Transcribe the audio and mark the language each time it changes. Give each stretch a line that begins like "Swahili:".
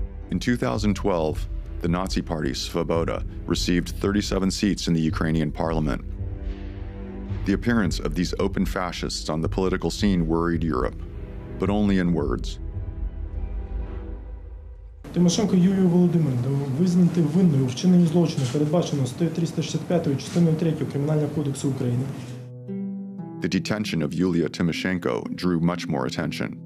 English: In 2012, the Nazi Party, Svoboda, received 37 seats in the Ukrainian parliament. The appearance of these open fascists on the political scene worried Europe, but only in words.
Ukrainian: Тимошенко Юлію Володимирівну визнати винною у вчиненні злочину, передбаченого 365 частиною 3 Кримінального кодексу України.
English: The detention of Yulia Tymoshenko drew much more attention.